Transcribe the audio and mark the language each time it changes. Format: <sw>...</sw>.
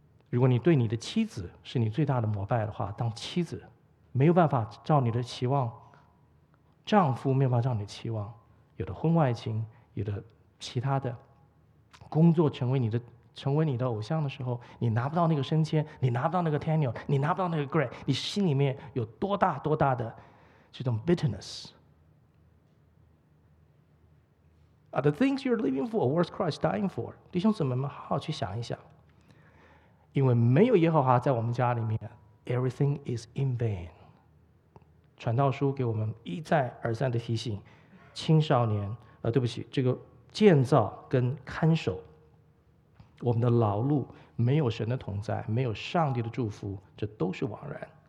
<zh>如果你对你的妻子是你最大的膜拜的话，当妻子没有办法照你的期望，丈夫没有办法照你的期望，有的婚外情，有的其他的工作成为你的偶像的时候，你拿不到那个升迁，你拿不到那个 tenure， 你拿不到那个 grade， 你心里面有多大多大的这种</zh> <en>bitterness？ Are the things you're living for worth Christ dying for？</en> <zh>弟兄姊妹们，好好去想一想，因为没有耶和华在我们家里面，</zh> <en>everything is in vain。</en> <zh>传道书给我们一再而三的提醒，青少年，对不起，这个建造跟看守，我们的劳碌，没有神的同在，没有上帝的祝福，这都是枉然。</zh>